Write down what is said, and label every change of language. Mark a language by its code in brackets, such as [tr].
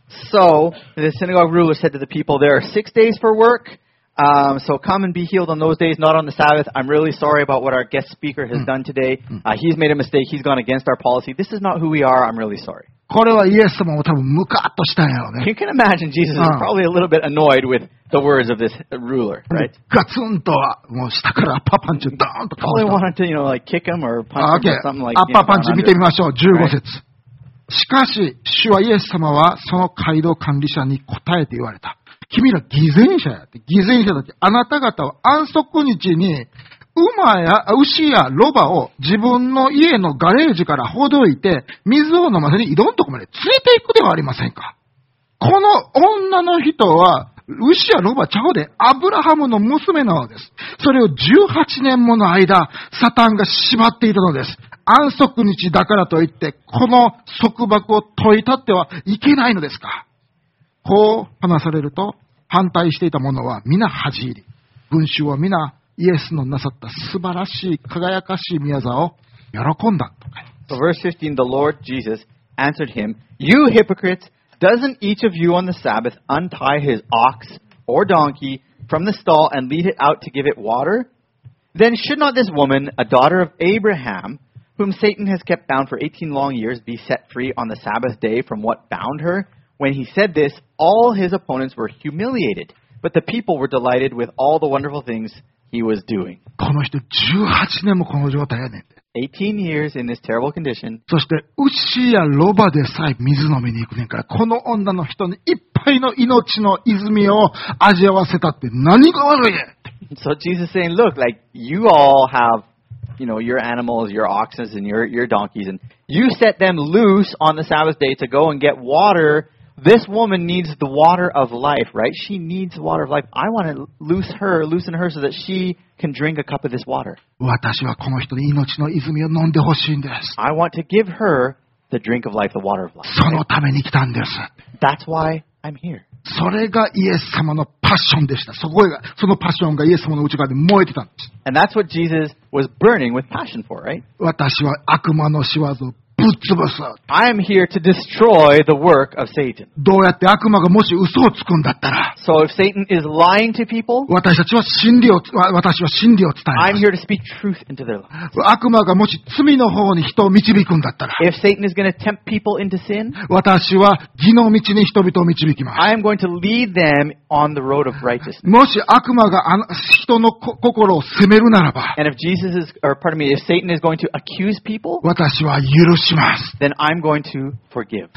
[en] So the synagogue ruler said to the people, there are 6 days for work, so come and be healed on those days, not on the Sabbath. I'm really sorry about what our guest speaker has done today. He's made a mistake. He's gone against our policy. This is not who we are. I'm really sorry. [ja] これはイエス様も多分ムカッとしたんやろね。 [en] You can imagine Jesus is probably a little bit annoyed with the words of this ruler, right? [ja] ガツンとはもう下からアッパーパンチドーンと倒した。 [en] Probably wanted to, you know, like kick him or punch him or something like that. [ja] アッパーパンチ見てみましょう。 15節。Right? しかし主はイエス様はその街道管理者に答えて言われた。君ら偽善者やって。偽善者だって。あなた方は安息日に馬や牛やロバを自分の家のガレージからほどいて水を飲ませに井戸のとこまで連れて行くではありませんか。この女の人は牛やロバちゃうでアブラハムの娘なのです。それを18年もの間サタンが縛っていたのです。安息日だからといってこの束縛を解いたってはいけないのですか。こう話されると反対していた者は皆恥じ入り、群衆は皆イエスのなさった素晴らしい輝かしい御業を喜んだ。 [en] So verse 15, the Lord Jesus answered him, You hypocrites, doesn't each of you on the Sabbath untie his ox or donkey from the stall and lead it out to give it water? Then should not this woman, a daughter of Abraham, whom Satan has kept bound for 18 long years, be set free on the Sabbath day from what bound her? When he said this, all his opponents were humiliated, but the people were delighted with all the wonderful thingsHe was doing. [ja] この人18年もこの状態やねんて。 [en] 18 years in this terrible condition. [ja] そして牛やロバでさえ水飲みに行くねんから、この女の人にいっぱいの命の泉を味わわせたって何が悪いねん。 [en] So Jesus is saying, look, like you all have, you know, your animals, your oxen and your donkeys, and you set them loose on the Sabbath day to go and get water. This woman needs the water of life, right? She needs the water of life. I want to loosen her so that she can drink a cup of this water. [ja] 私はこの人に命の泉を飲んでほしいんです。 [en] I want to give her the drink of life, the water of life. [ja] そのために来たんです。 [en] That's why I'm here. [ja] それがイエス様のパッションでした。そのパッションがイエス様の内側で燃えてたんです。 [en] And that's what Jesus was burning with passion for, right? [ja] 私は悪魔の仕業を [en] I am here to destroy the work of Satan. [ja] どうやって悪魔がもし嘘をつくんだったら、 [en] so if Satan is lying to people, [ja] 私は真理を伝えます。 [en] I'm here to speak truth into their lives. [ja] 悪魔がもし罪の方に人を導くんだったら、 [en] if Satan is going to tempt people into sin, [ja] 私は義の道に人々を導きます。 [en] I am going to lead them on the road of righteousness. [ja] もし悪魔が人の心を責めるならば、 [en] and if Jesus is, or pardon me, if Satan is going to accuse people, [ja] 私は許し [en] Then I'm going to forgive.